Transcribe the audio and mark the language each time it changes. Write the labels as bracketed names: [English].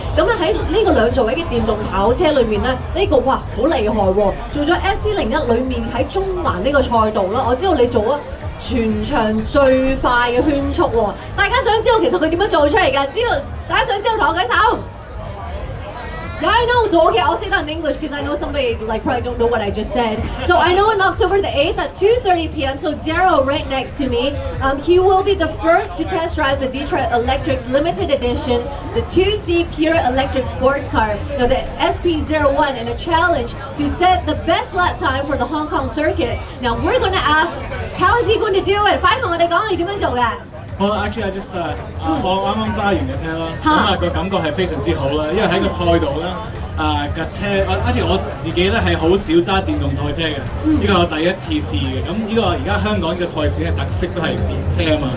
[Cantonese] 咁咧喺呢個兩座位嘅電動跑車裏面咧，呢、這個哇好厲害喎、哦！做咗 SP01 裏面喺中環呢個賽道啦，我知道你做啊。全場最快的圈速喎，大家想知道其實佢點樣做出嚟嘅？知道大家想知道同我舉手。 [English] Yeah, I know, so okay, I'll say that in English because I know somebody like probably don't know what I just said. So I know on October 8th at 2:30 p.m. So Daryl right next to me, he will be the first to test drive the Detroit Electric's limited edition, the 2-seat pure electric sports car, the SP01, in a challenge to set the best lap time for the Hong Kong circuit. Now we're going to ask, how is he going to do it? [Cantonese] 快同我哋講你點樣做嘅。 [English] Well, actually, I just [Cantonese] 我啱啱揸完嘅車啦，咁啊個感覺係非常之好啦，因為喺個賽道咧，架車，而且我自己咧係好少揸電動賽車嘅，呢個我第一次試嘅，咁呢個而家香港嘅賽事嘅特色都係電車啊嘛，